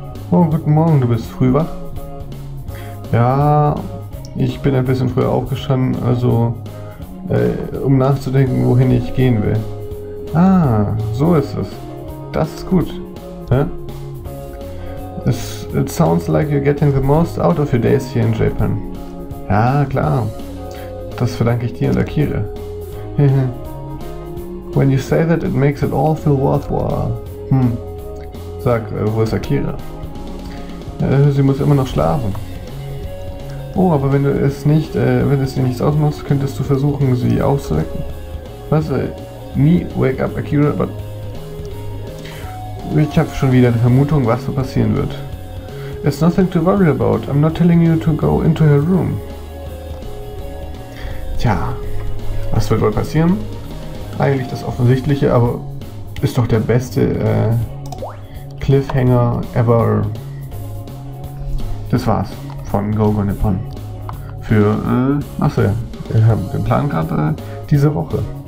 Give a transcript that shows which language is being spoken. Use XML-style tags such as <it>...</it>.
<de>Morgen. Oh, guten Morgen, du bist früh wach? Ja, ich bin ein bisschen früher aufgestanden, also um nachzudenken, wohin ich gehen will. Ah, so ist es. Das ist gut. Ja? Es</de> <en>it sounds like you're getting the most out of your days here in Japan.</en> <de>Ja, klar. Das verdanke ich dir und Akira.</de> <en>When you say that, it makes it all feel worthwhile.</en> <de>Sag, wo ist Akira? Sie muss immer noch schlafen. Oh, aber wenn du es nicht, wenn es dir nichts ausmacht, könntest du versuchen, sie auszuwecken. Was?</de> <en>Me wake up Akira, but...</en> <de>Ich habe schon wieder eine Vermutung, was so passieren wird.</de> <en>It's nothing to worry about. I'm not telling you to go into her room.</en> <de>Tja, was wird wohl passieren? Eigentlich das Offensichtliche, aber ist doch der beste Cliffhanger ever. Das war's von Gogo Nippon. Für, achso, wir haben den Plan gerade diese Woche.</de>